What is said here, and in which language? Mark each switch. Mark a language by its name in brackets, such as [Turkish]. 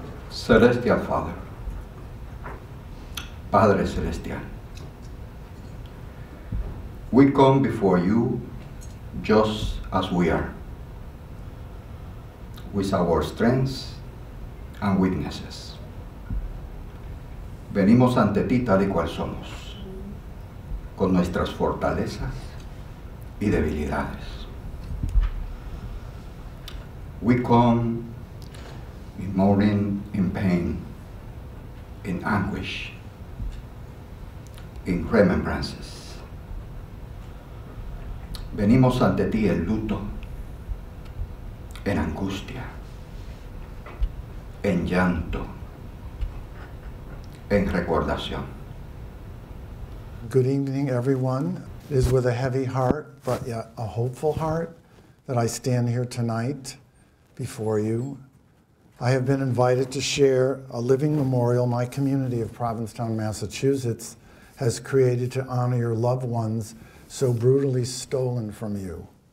[English] Celestial Father, [Spanish] Padre Celestial, [English] we come before you just as we are, with our strengths and weaknesses. [Spanish] Venimos ante ti tal y cual somos, con nuestras fortalezas y debilidades. [English] We come in mourning, in pain, in anguish, in remembrances. [Spanish] Venimos ante ti en luto, en angustia, en llanto, en recordación. [English] Good evening, everyone. It is with a heavy heart, but yet a hopeful heart, that I stand here tonight before you. I have been invited to share a living memorial my community of Provincetown, Massachusetts has created to honor your loved ones so brutally stolen from you.